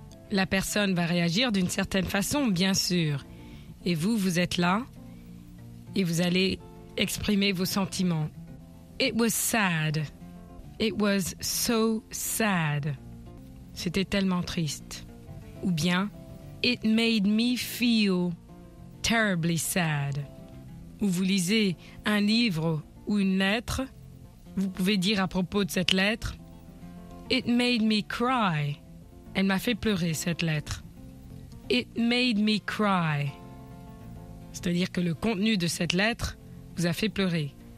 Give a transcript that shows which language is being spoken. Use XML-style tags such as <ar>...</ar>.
<fr>La personne va réagir d'une certaine façon, bien sûr. Et vous, vous êtes là et vous allez exprimer vos sentiments.</fr> <en>It was sad. It was so sad.</en> <fr>C'était tellement triste. Ou bien...</fr> <en>It made me feel terribly sad.</en> <fr>Ou vous lisez un livre ou une lettre, vous pouvez dire à propos de cette lettre,</fr> <en>It made me cry.</en> <fr>Elle m'a fait pleurer, cette lettre.</fr> <en>It made me cry.</en> <fr>C'est-à-dire que le contenu de cette lettre vous a fait pleurer.</fr>